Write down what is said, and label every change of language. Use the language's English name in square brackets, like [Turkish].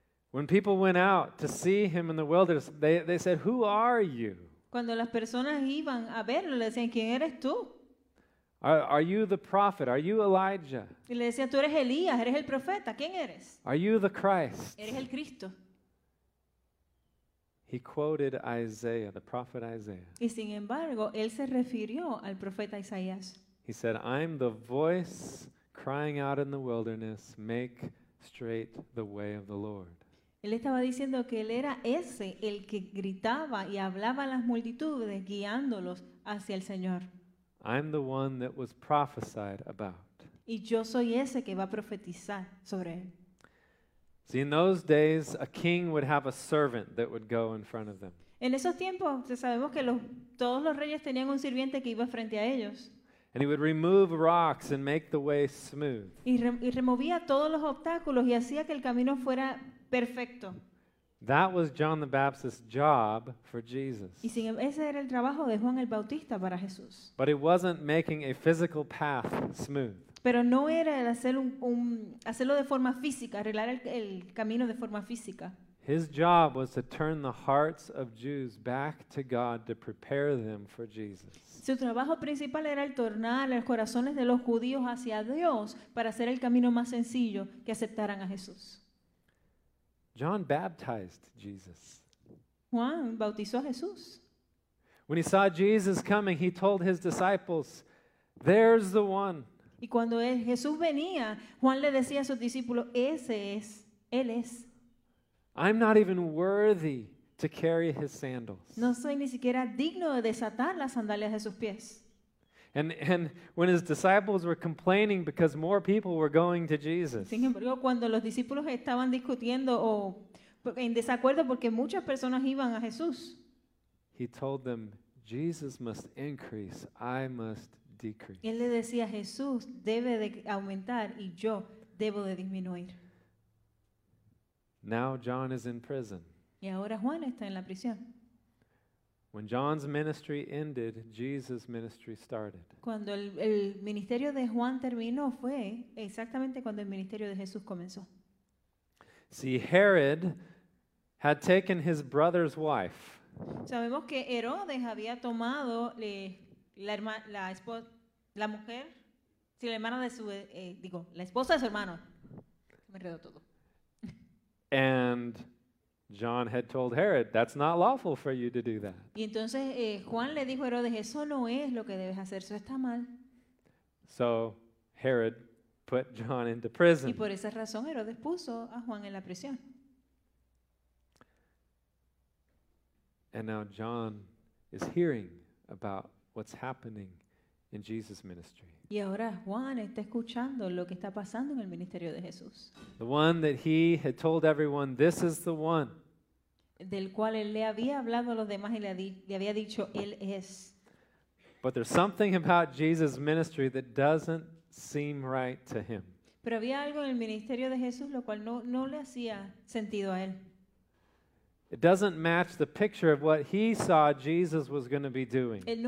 [English] When people went out to see him in the wilderness, they said, "Who are you?" [Spanish] Cuando las personas iban a verlo, le decían, "¿Quién eres tú?" [English] Are you the prophet? Are you Elijah? [Spanish] Y le decían, "Tú eres Elías, eres el profeta, ¿quién eres?" [English] Are you the Christ? [Spanish] Eres el Cristo. [English] He quoted Isaiah, the prophet Isaiah. [Spanish] Y sin embargo, él se refirió al profeta Isaías. [English] He said, "I'm the voice crying out in the wilderness, make straight the way of the Lord." [Spanish] Él estaba diciendo que él era ese, el que gritaba y hablaba a las multitudes, guiándolos hacia el Señor. [English] I'm the one that was prophesied about. [Spanish] Y yo soy ese que va a profetizar sobre él. [English] See, in those days, a king would have a servant that would go in front of them. [Spanish] En esos tiempos, sabemos que todos los reyes tenían un sirviente que iba frente a ellos. [English] And he would remove rocks and make the way smooth. [Spanish] Y removía todos los obstáculos y hacía que el camino fuera perfecto. [English] That was John the Baptist's job for Jesus. [Spanish] Y sin embargo, ese era el trabajo de Juan el Bautista para Jesús. [English] But he wasn't making a physical path smooth. [Spanish] Pero no era el hacerlo de forma física, arreglar el camino de forma física. [English] His job was to turn the hearts of Jews back to God to prepare them for Jesus. [Spanish] Su trabajo principal era el tornar los corazones de los judíos hacia Dios para hacer el camino más sencillo que aceptaran a Jesús. [English] John baptized Jesus. [Spanish] Juan bautizó a Jesús. [English] When he saw Jesus coming, he told his disciples, "There's the one." [Spanish] Y cuando Jesús venía, Juan le decía a sus discípulos, "Ese es, él es." [English] I'm not even worthy to carry his sandals. [Spanish] No soy ni siquiera digno de desatar las sandalias de sus pies. [English] And when his disciples were complaining because more people were going to Jesus. [Spanish] Sin embargo, cuando los discípulos estaban discutiendo o en desacuerdo porque muchas personas iban a Jesús. [English] He told them, "Jesus must increase, I must decrease." [Spanish] Él le decía, Jesús debe de aumentar y yo debo de disminuir. [English] Now John is in prison. [Spanish] Y ahora Juan está en la prisión. [English] When John's ministry ended, Jesus' ministry started. [Spanish] Cuando el ministerio de Juan terminó fue exactamente cuando el ministerio de Jesús comenzó. [English] See, Herod had taken his brother's wife. [Spanish] Sabemos que Herodes había tomado la esposa de su hermano. Me enredo todo. [English] And John had told Herod, "That's not lawful for you to do that." [Spanish] Y entonces Juan le dijo a Herodes, "Eso no es lo que debes hacer, eso está mal." [English] So Herod put John into prison. [Spanish] Y por esa razón Herodes puso a Juan en la prisión. [English] And now John is hearing about what's happening in Jesus' ministry. [Spanish] Y ahora Juan está escuchando lo que está pasando en el ministerio de Jesús. [English] The one that he had told everyone, "This is the one." [Spanish] Del cual él le había hablado a los demás y le había dicho, "Él es." [English] But there's something about Jesus' ministry that doesn't seem right to him. [Spanish] Pero había algo en el ministerio de Jesús lo cual no le hacía sentido a él. [English] It doesn't match the picture of what he saw Jesus was going to be doing.